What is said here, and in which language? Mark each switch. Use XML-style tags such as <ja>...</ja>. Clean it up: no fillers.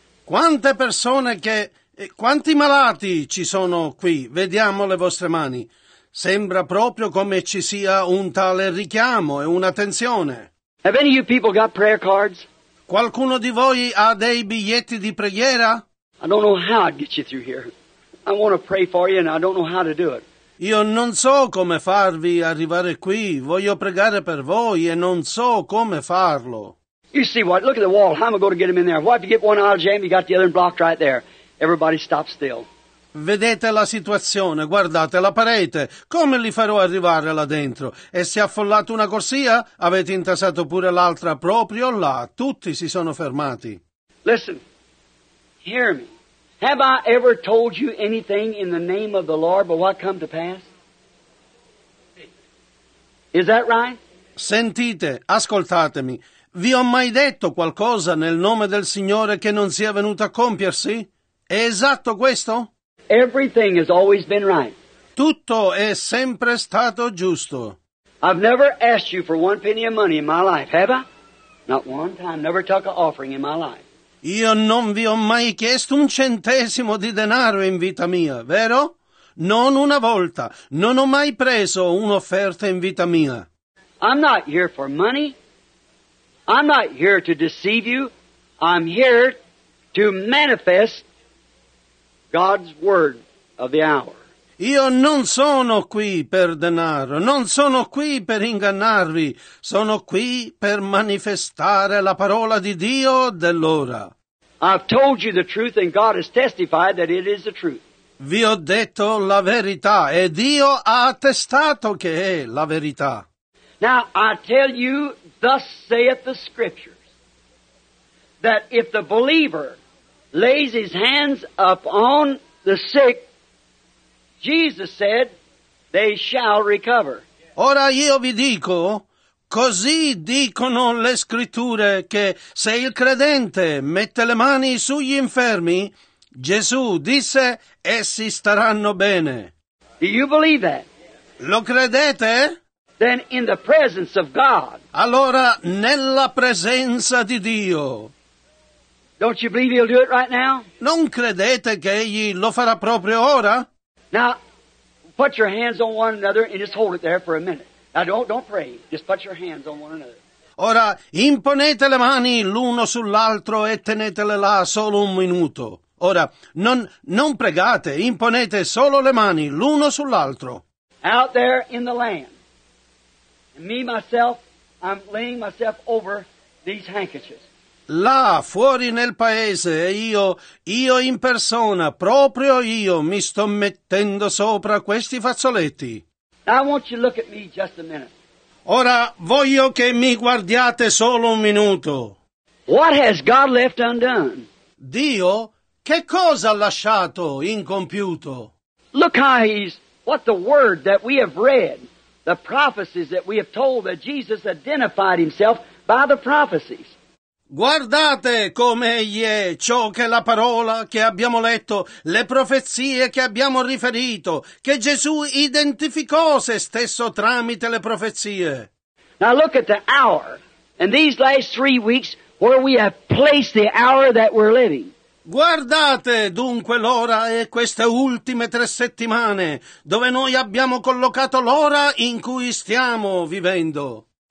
<it>Quante persone che... Quanti malati ci sono qui? Vediamo le vostre mani. Sembra proprio come ci sia un tale richiamo e una tensione.</it> <en>Have any of you people got prayer cards?</en> <it>Qualcuno di voi ha dei biglietti di preghiera?</it> <en>I don't know how I'd get you through here. I want to pray for you and I don't know how to do it.</en> <it>Io non so come farvi arrivare qui. Voglio pregare per voi e non so come farlo.</it> <en>You see what? Look at the wall. How am I going to get him in there? What if you get one out of jam, you got the other blocked right there. Everybody stop still.</en> <it>Vedete la situazione, guardate la parete. Come li farò arrivare là dentro? E se affollate una corsia, avete intasato pure l'altra proprio là. Tutti si sono fermati.</it> <en>Listen, hear me. Have I ever told you anything in the name of the Lord but what come to pass? Is that right?</en> <it>Sentite, ascoltatemi. Vi ho mai detto qualcosa nel nome del Signore che non sia venuto a compiersi? È esatto questo?</it> <en>Everything has always been right.</en> <it>Tutto è sempre stato giusto.</it> <en>I've never asked you for one penny of money in my life, have I? Not one time, never took an offering in my life.</en> <it>Io non vi ho mai chiesto un centesimo di denaro in vita mia, vero? Non una volta. Non ho mai preso un'offerta in vita mia.</it> <en>I'm not here for money. I'm not here to deceive you. I'm here to manifest God's word of the hour.</en> <it>Io non sono qui per denaro, non sono qui per ingannarvi, sono qui per manifestare la parola di Dio dell'ora.</it> <en>I've told you the truth and God has testified that it is the truth.</en> <it>Vi ho detto la verità e Dio ha attestato che è la verità.</it> <en>Now I tell you, thus saith the scriptures, that if the believer lays his hands upon the sick, Jesus said, they shall recover.</en> <it>Ora io vi dico, così dicono le scritture, che se il credente mette le mani sugli infermi, Gesù disse, essi staranno bene.</it> <en>Do you believe that?</en> <it>Lo credete?</it> <en>Then in the presence of God.</en> <it>Allora nella presenza di Dio.</it> <en>Don't you believe he'll do it right now?</en> <it>Non credete che egli lo farà proprio ora?</it> <en>Now, put your hands on one another and just hold it there for a minute. Now, don't pray. Just put your hands on one another.</en> <it>Ora, imponete le mani l'uno sull'altro e tenetele là solo un minuto. Ora, non pregate. Imponete solo le mani l'uno sull'altro.</it> <en>Out there in the land. Me, myself, I'm laying myself over these handkerchiefs.</en> <it>Là, fuori nel paese, io in persona, proprio io, mi sto mettendo sopra questi fazzoletti.</it> <en>Now I want you to look at me just a minute.</en> <it>Ora, voglio che mi guardiate solo un minuto.</it> <en>What has God left undone?</en> <it>Dio, che cosa ha lasciato incompiuto?</it> <en>Look how he's what the word that we have read, the prophecies that we have told, that Jesus identified himself by the prophecies.</en> <it>Guardate come egli è, ciò che la parola che abbiamo letto, le profezie che abbiamo riferito, che Gesù identificò se stesso tramite le profezie.</it> <en>Now look at the hour in these last 3 weeks where we have placed the hour that we're living.</en> <it>Guardate dunque l'ora e queste ultime 3 settimane dove noi abbiamo collocato l'ora in cui stiamo vivendo.</it>